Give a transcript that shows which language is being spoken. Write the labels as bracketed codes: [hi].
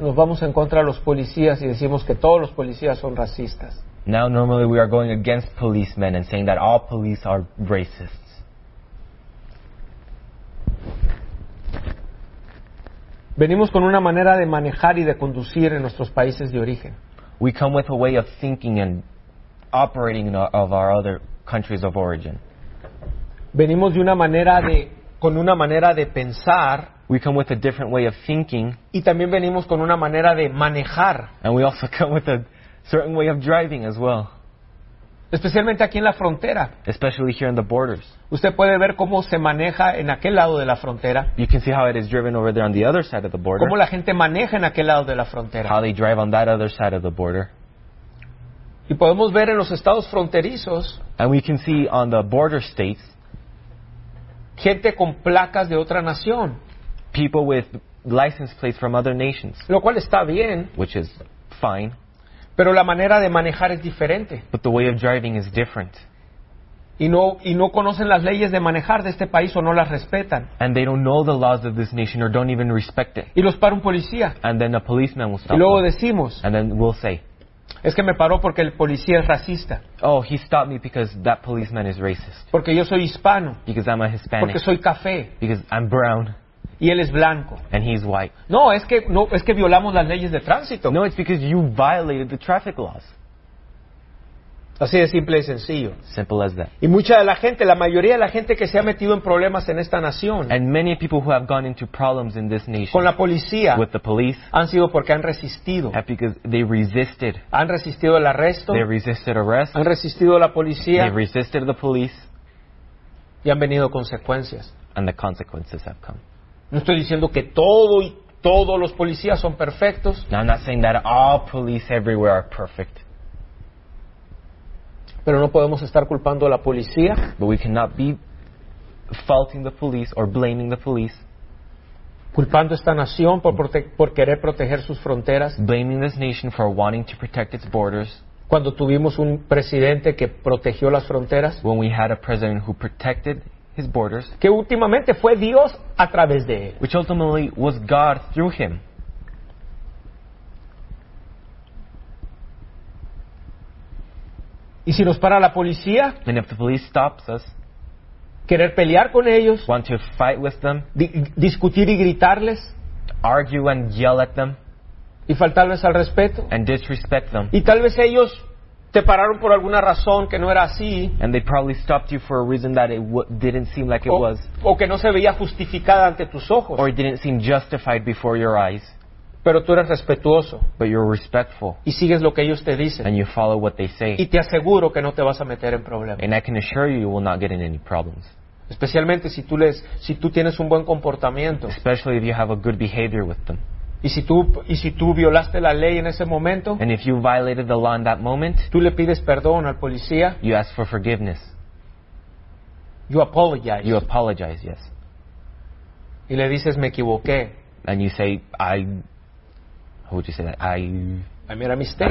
[es] Nos vamos en contra de los policías y decimos que todos los policías son racistas. [en] Now normally we are going against policemen and saying that all police are racists. [es] Venimos con una manera de manejar y de conducir en nuestros países de origen. [en] We come with a way of thinking and operating of our other countries of origin. [es] Venimos de una manera de con una manera de pensar. [en] We come with a different way of thinking. [es] Y también venimos con una manera de manejar. [en] And we also come with a certain way of driving as well. [es] Especialmente aquí en la frontera. [en] Especially here in the borders. [es] Usted puede ver cómo se maneja en aquel lado de la frontera. [en] You can see how it is driven over there on the other side of the border. [es] Cómo la gente maneja en aquel lado de la frontera. [en] How they drive on that other side of the border. [es] Y podemos ver en los estados fronterizos. [en] And we can see on the border states. [es] Gente con placas de otra nación. [en] People with license plates from other nations. [es] Lo cual está bien. [en] Which is fine. [es] Pero la manera de manejar es diferente. [en] But the way of driving is different. [es] Y no conocen las leyes de manejar de este país o no las respetan. [en] And they don't know the laws of this nation or don't even respect it. [es] Y los para un policía. [en] And then a policeman will stop. [es] Y luego decimos. [en] And then we'll say. [es] Es que me paró porque el policía es racista. [en] Oh, he stopped me because that policeman is racist. [es] Porque yo soy hispano. [en] Because I'm a Hispanic. [es] Porque soy café. [en] Because I'm brown. [es] Y él es blanco. [en] And he's white. [es] No, es que violamos las leyes de tránsito. [en] No, it's because you violated the traffic laws. [es] Así de simple y sencillo. [en] Simple as that. [es] Y mucha de la gente, la mayoría de la gente que se ha metido en problemas en esta nación. [en] And many people who have gone into problems in this nation. [es] Con la policía. [en] With the police. [es] Han sido porque han resistido. [en] And because they resisted. [es] Han resistido el arresto. [en] They resisted arrest. [es] Han resistido la policía. [en] They resisted the police. [es] Y han venido consecuencias. [en] And the consequences have come. [es] No estoy diciendo que todos los policías son perfectos. [en] No, I'm not saying that all police everywhere are perfect. [es] Pero no podemos estar culpando a la policía. [en] But we cannot be faulting the police or blaming the police. [es] Culpando esta nación por querer proteger sus fronteras. [en] Blaming this nation for wanting to protect its borders. [es] Cuando tuvimos un presidente que protegió las fronteras. [en] When we had a president who protected his borders, [es] que últimamente fue Dios a través de él. [en] Which ultimately was God through him. [es] Y si nos para la policía, [en] and if the police stops us, [es] querer pelear con ellos, [en] want to fight with them, [es] discutir y gritarles, [en] argue and yell at them, [es] y faltarles al respeto, [en] and disrespect them, [es] y tal vez ellos te pararon por alguna razón que no era así. [en] And they probably stopped you for a reason that didn't seem like it was. [es] O que no se veía justificada ante tus ojos. [en] Or it didn't seem justified before your eyes. [es] Pero tú eres respetuoso. [en] But you're respectful. [es] Y sigues lo que ellos te dicen. [en] And you follow what they say. [es] Y te aseguro que no te vas a meter en problemas. [en] And I can assure you, you will not get in any problems. [es] Especialmente si tú tienes un buen comportamiento. [en] Especially if you have a good behavior with them. [es] Y si tú violaste la ley en ese momento, [en] and if you violated the law in that moment, [es] tú le pides perdón al policía, [en] you ask for forgiveness. You apologize, yes. [es] Y le dices, me equivoqué. [en] And you say, I made a mistake.